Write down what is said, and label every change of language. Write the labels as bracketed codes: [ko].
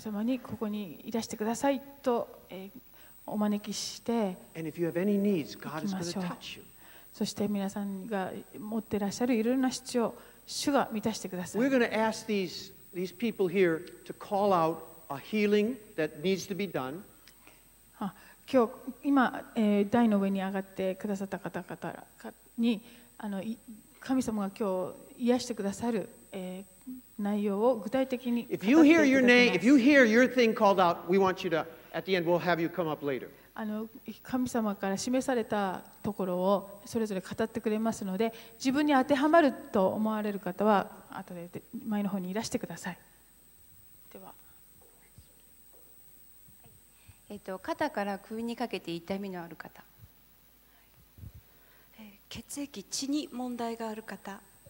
[ja] 様にここにいらしてくださいとお招きしていきましょう。そして皆さんが持っていらっしゃるいろいろな必要、主が満たしてください。 [en] We're going to ask these people here to call out a healing that needs to be done. [ja] 今日、今、台の上に上がってくださった方々に、神様が今日癒してくださる、内容を具体的に。 [en] If you hear your name, if you hear your thing called out, we want you to, at the end, we'll have you come up later. [ja] 神様から示されたところをそれぞれ語ってくれますので、自分に当てはまると思われる方は後で前の方にいらしてください。では、肩から首にかけて痛みのある方、血液、血に問題がある方、